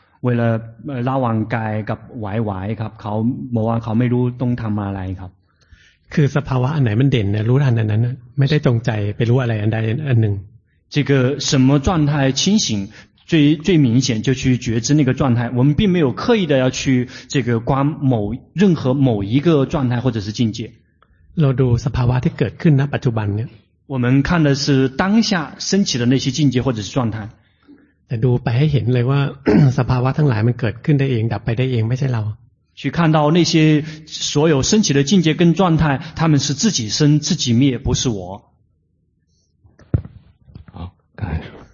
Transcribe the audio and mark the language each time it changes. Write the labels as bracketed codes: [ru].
[zh] 为了 [th] ระวังกายกับไหวๆครับเขาบอกว่าเขาไม่รู้ต้องทำอะไรครับ คือสภาวะอันไหนมันเด่นนะรู้ทันอันนั้นไม่ได้จงใจไปรู้อะไรอันใดอันหนึ่ง [zh] 这个什么状态清醒最明显就去觉知那个状态我们并没有刻意的要去这个观某任何某一个状态或者是境界 [th] เราดูสภาวะที่เกิดขึ้นณปัจจุบันเนี่ย [zh] 我们看的是当下升起的那些境界或者是状态 [th] แต่ดูไปให้เห็นเลยว่า สภาวะทั้งหลายมันเกิดขึ้นได้เองดับไปได้เองไม่ใช่เรา [zh] 去看到那些所有升起的境界跟状态他们是自己生自己灭不是我好感谢